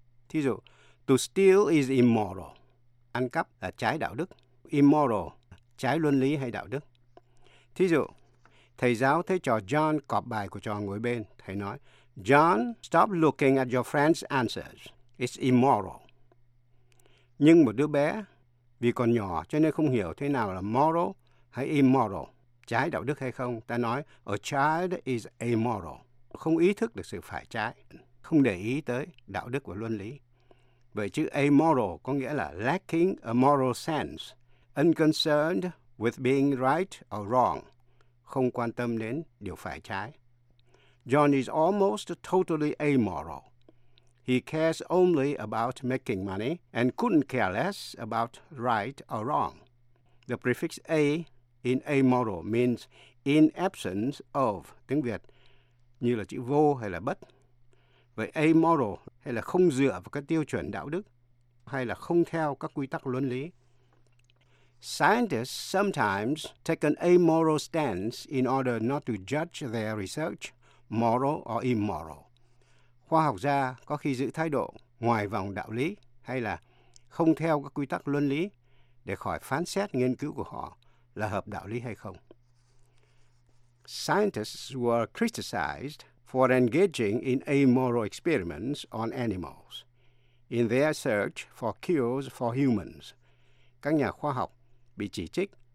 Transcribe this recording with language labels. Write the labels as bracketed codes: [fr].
[vi] Thí dụ, [en] to steal is immoral, [vi] ăn cắp là trái đạo đức. Immoral, trái luân lý hay đạo đức. Thí dụ, thầy giáo thấy trò John cọp bài của trò ngồi bên. Thầy nói, [en] John, stop looking at your friend's answers. It's immoral. [vi] Nhưng một đứa bé, vì còn nhỏ cho nên không hiểu thế nào là moral hay immoral, trái đạo đức hay không, ta nói, [en] a child is amoral. [vi] Không ý thức được sự phải trái, không để ý tới đạo đức và luân lý. Vậy chữ amoral có nghĩa là [en] lacking a moral sense, unconcerned with being right or wrong. [vi] Không quan tâm đến điều phải trái. [en] John is almost totally amoral. He cares only about making money and couldn't care less about right or wrong. The prefix A in amoral means in absence of, [vi] tiếng Việt, như là chữ vô hay là bất. Vậy amoral hay là không dựa vào các tiêu chuẩn đạo đức hay là không theo các quy tắc luân lý. [en] Scientists sometimes take an amoral stance in order not to judge their research moral or immoral. [vi] Khoa học gia có khi giữ thái độ ngoài vòng đạo lý hay là không theo các quy tắc luân lý để khỏi phán xét nghiên cứu của họ là hợp đạo lý hay không. [en] Scientists were criticized for engaging in amoral experiments on animals in their search for cures for humans. [vi] Các nhà khoa học bị chỉ trích